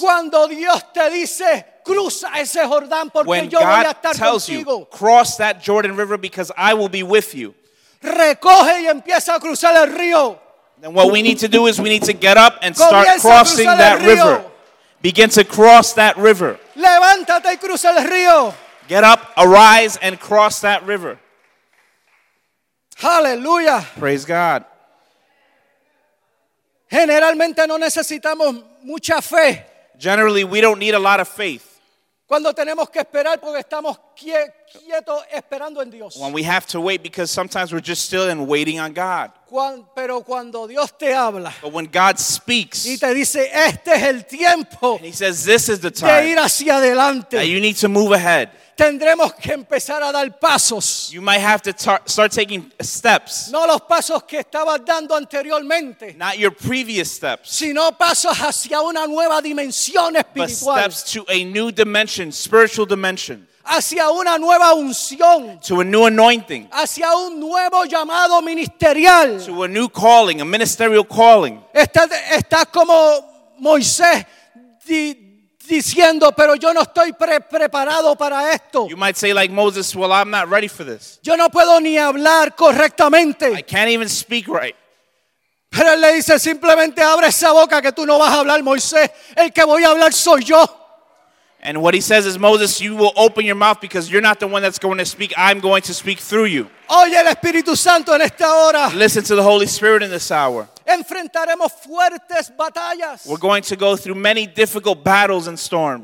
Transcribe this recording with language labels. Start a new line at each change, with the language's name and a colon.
Spanish: Cuando Dios te dice, cruza ese Jordán porque yo voy a estar contigo.
English: When God tells you, cross that Jordan River because I will be with you.
Spanish: Recoge y empieza a cruzar el río.
English: Then what we need to do is we need to get up and start crossing that river. Begin to cross that river.
Spanish: Levántate y cruza el río.
English: Get up, arise, and cross that river. Hallelujah. Praise God.
Spanish: Generalmente no necesitamos mucha fe.
English: Generally, we don't need a lot of faith.
Spanish: Cuando tenemos que esperar porque estamos quietos esperando en Dios.
English: When we have to wait because sometimes we're just still and waiting on God.
Spanish: Pero cuando Dios te habla.
English: But when God speaks.
Spanish: Y te dice, este es el tiempo.
English: And he says, this is the time.
Spanish: De ir hacia adelante.
English: That you need to move ahead.
Spanish: Tendremos que empezar a dar pasos.
English: You might have to start taking steps.
Spanish: No los pasos que estabas dando anteriormente.
English: Not your previous steps.
Spanish: Sino pasos hacia una nueva dimensión espiritual.
English: But steps to a new dimension, spiritual dimension.
Spanish: Hacia una nueva unción.
English: To a new anointing.
Spanish: Hacia un nuevo llamado ministerial.
English: To a new calling, a ministerial calling.
Spanish: Estás como Moisés diciendo, pero yo no estoy preparado para esto.
English: You might say like Moses, well, I'm not ready for this.
Spanish: Yo no puedo ni hablar correctamente.
English: I can't even speak right.
Spanish: Pero él le dice, simplemente abre esa boca que tú no vas a hablar, Moisés. El que voy a hablar soy yo.
English: And what he says is, Moses, you will open your mouth because you're not the one that's going to speak. I'm going to speak through you.
Spanish: Oye el Espíritu Santo en esta hora.
English: Listen to the Holy Spirit in this hour.
Spanish: Enfrentaremos fuertes batallas.
English: We're going to go through many difficult battles and storms.